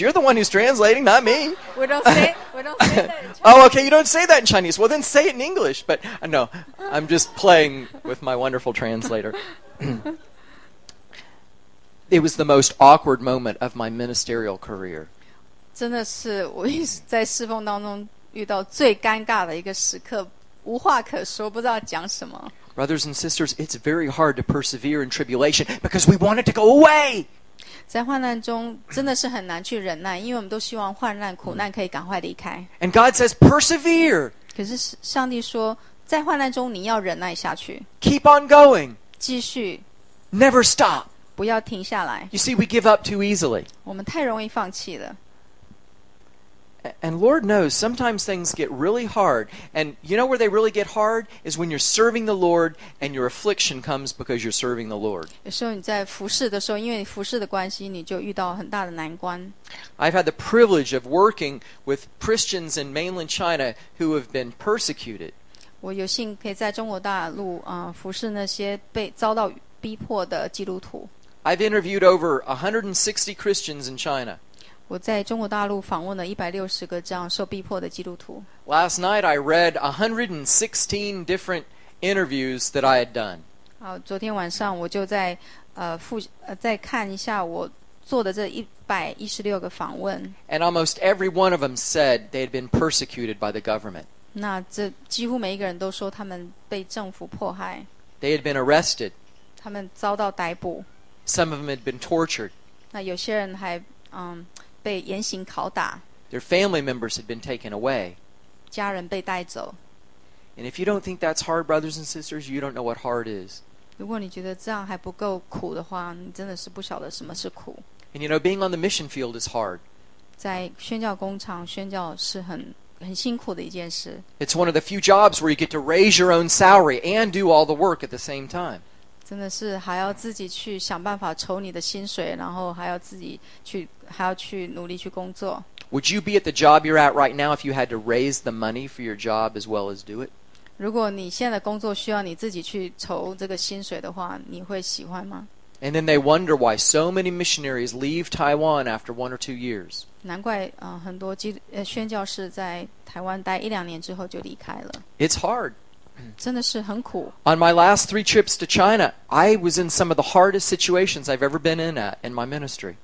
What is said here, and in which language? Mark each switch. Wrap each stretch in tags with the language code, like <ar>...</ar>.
<en>You're the one who's translating, not me. We don't say that in Chinese. Oh, okay, you don't say that in Chinese. Well, then say it in English. But no, I'm just playing with my wonderful translator. It was the most awkward moment of my ministerial career.</en> <zh>真的是我在侍奉当中遇到最尴尬的一个时刻，无话可说，不知道讲什么。</zh> <en>Brothers and sisters, it's very hard to persevere in tribulation because we want it to go away.</en> <zh>在患难中真的是很难去忍耐，因为我们都希望患难苦难可以赶快离开。</zh> <en>And God says persevere.</en> <zh>可是上帝说在患难中你要忍耐下去。</zh> <en>Keep on going.</en> <zh>继续。</zh> <en>Never stop.</en> <zh>不要停下来。</zh> <en>You see, we give up too easily.</en> <zh>我们太容易放弃了。</zh> <en>And Lord knows, sometimes things get really hard. And you know where they really get hard? Is when you're serving the Lord and your affliction comes because you're serving the Lord.</en> <zh>有时候你在服事的时候，因为你服事的关系，你就遇到很大的难关。</zh> <en>I've had the privilege of working with Christians in mainland China who have been persecuted.</en> <zh>我有幸可以在中国大陆服事那些被遭到逼迫的基督徒。</zh> <en>I've interviewed over 160 Christians in China.</en> <zh>我在中国大陆访问了160个这样受逼迫的基督徒。</zh> <en>Last night I read 116 different interviews that I had done.</en> <zh>昨天晚上我就在再看一下我做的这116个访问。</zh> <en>And almost every one of them said they had been persecuted by the government.</en> <zh>那这几乎每一个人都说他们被政府迫害。</zh> <en>They had been arrested.</en> <zh>他们遭到逮捕。</zh> <en>Some of them had been tortured.</en> <zh>那有些人还被严刑拷打。</zh> <en>Their family members had been taken away.</en> <zh>家人被带走。</zh> <en>And if you don't think that's hard, brothers and sisters, you don't know what hard is.</en> <zh>如果你觉得这样还不够苦的话，你真的是不晓得什么是苦。</zh> <en>And you know, being on the mission field is hard.</en> <zh>在宣教工厂宣教是很辛苦的一件事。</zh> <en>It's one of the few jobs where you get to raise your own salary and do all the work at the same time.</en> <zh>真的是还要自己去想办法筹你的薪水，然后还要自己去，还要去努力去工作。</zh> <en>Would you be at the job you're at right now if you had to raise the money for your job as well as do it?</en> <zh>如果你现在的工作需要你自己去筹这个薪水的话，你会喜欢吗？</zh> <en>And then they wonder why so many missionaries leave Taiwan after 1 or 2 years.</en> <zh>难怪很多宣教士在台湾待一两年之后就离开了。</zh> <en>It's hard.</en> <zh>真的是很苦。</zh> <en>On my last 3 trips to China, I was in some of the hardest situations I've ever been in my ministry.</en>